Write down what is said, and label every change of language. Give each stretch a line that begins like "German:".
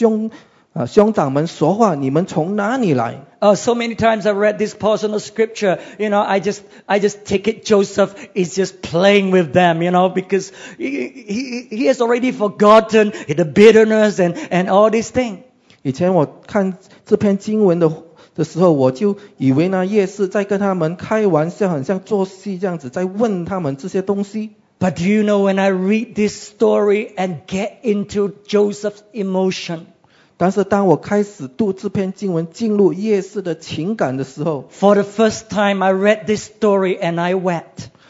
Chinese: 到一片CG哦，你已经预备了，要这样子做。而是他是自然，当他看到他的兄弟里面，他里面的那些情感、那消极的情感，就马上起来，然后很严厉的跟他的弟兄长们说话：“你们从哪里来？”
English: So many times I read this portion of scripture, you know, I just take it Joseph is just playing with them, you know, because he has already forgotten the bitterness and all these things.
Chinese: 以前我看这篇经文的时候，我就以为呢，耶稣在跟他们开玩笑，很像做戏这样子，在问他们这些东西。
English: But do you know when I read this story and get into Joseph's emotion?
Chinese: 但是当我开始读这篇经文，进入耶稣的情感的时候，
English: For the first time, I read this story and I wept.